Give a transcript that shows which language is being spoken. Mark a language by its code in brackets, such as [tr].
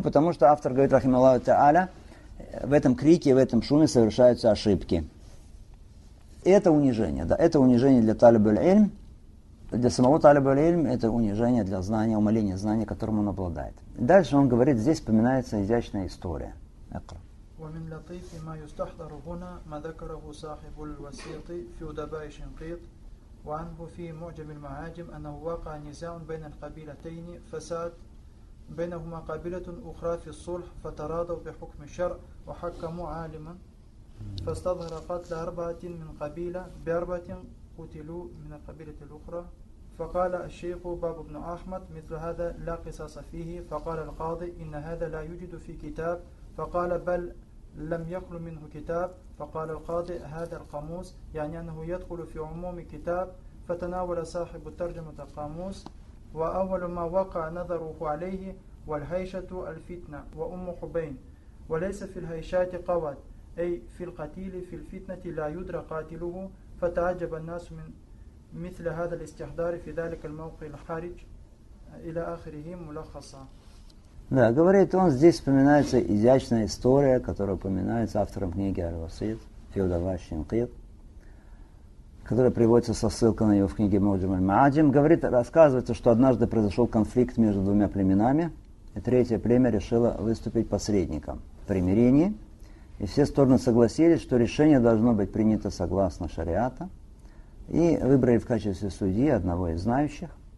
[ru] Потому что автор говорит, рахималлаху та'аля, в этом крике, в этом шуме совершаются ошибки. Это унижение, да, это унижение для талиб-уль-ильм, для самого талиб-уль-ильм, это унижение для знания, умаления знания, которым он обладает. Дальше он говорит, здесь вспоминается изящная история. Акра. [ar] ومن لطيف ما يستحضر هنا ما ذكره صاحب الوسيط في دبائش قيط وعنه في معجم المعاجم أنه وقع نزاع بين القبيلتين فساد بينهما قبيلة أخرى في الصلح فتراضوا بحكم الشرع وحكموا عالما فاستظهر قتل أربعة من قبيلة بأربعة قتلوا من القبيلة الأخرى فقال الشيخ باب بن أحمد مثل هذا لا قصاص فيه فقال القاضي إن هذا لا يوجد في كتاب فقال بل لم يخل منه كتاب فقال القاضي هذا القاموس يعني أنه يدخل في عموم كتاب فتناول صاحب الترجمة القاموس وأول ما وقع نظره عليه والهيشة الفتنة وأم حبين وليس في الهيشات قوت أي في القتيل في الفتنة لا يدرى قاتله فتعجب الناس من مثل هذا الاستحضار في ذلك الموقع الحرج إلى آخره ملخصا. [ru] Да, говорит он, здесь вспоминается изящная история, которая упоминается автором книги «Аль-Васит» Фиудава Шинкит, которая приводится со ссылкой на него в книге «Моджим аль-Маджим». Говорит, рассказывается, что однажды произошел конфликт между двумя племенами, и третье племя решило выступить посредником в примирении, и все стороны согласились, что решение должно быть принято согласно шариата, и выбрали в качестве судьи одного из знающих.